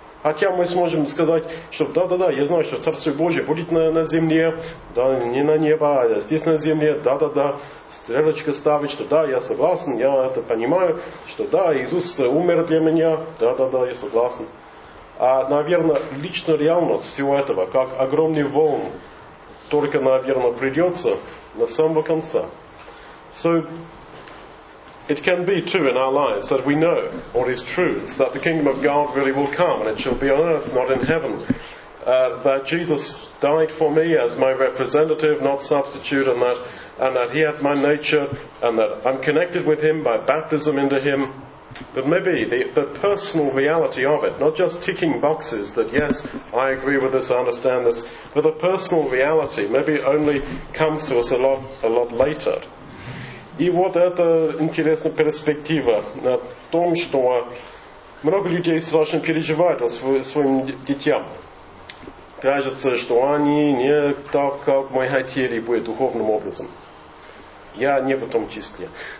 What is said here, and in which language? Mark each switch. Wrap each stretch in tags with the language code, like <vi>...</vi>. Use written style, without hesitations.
<ru>Хотя мы сможем сказать, что да-да-да, я знаю, что Царство Божие будет на земле, да, не на небо, а здесь на земле, да-да-да, стрелочка ставить, что да, я согласен, я это понимаю, что да, Иисус умер для меня, да-да-да, я согласен. А, наверное, личная реальность всего этого, как огромный волн, только, наверное, придется на самого конца.</ru> <en>So, it can be true in our lives that we know what is true, that the kingdom of God really will come and it shall be on earth, not in heaven. That Jesus died for me as my representative, not substitute, and that he had my nature and that I'm connected with him by baptism into him. But maybe the personal reality of it, not just ticking boxes that yes, I agree with this, I understand this, but the personal reality maybe only comes to us a lot later.</en> <ru>И вот это интересная перспектива на том, что много людей страшно переживают о своим детям. Кажется, что они не так, как мы хотели бы духовным образом. Я не в том числе.</ru>